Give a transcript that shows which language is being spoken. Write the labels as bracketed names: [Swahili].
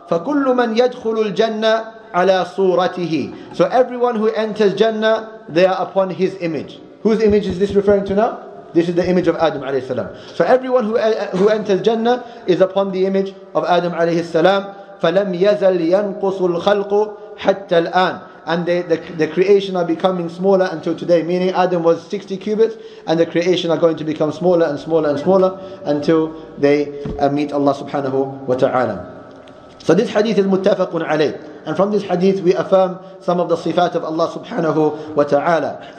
[Arabic] فكل من يدخل الجنة على صورته. [English] So everyone who enters Jannah, they are upon his image. Whose image is this referring to now? This is the image of Adam عليه السلام. So everyone who enters Jannah is upon the image of Adam عليه السلام. [Arabic] فلم يزل ينقص الخلق حتى الآن. [English] And the creation are becoming smaller until today. Meaning Adam was 60 cubits, and the creation are going to become smaller and smaller and smaller until they meet Allah subhanahu wa ta'ala. So this hadith is متفق عليه. And from this hadith we affirm some of the sifat of Allah subhanahu wa ta'ala.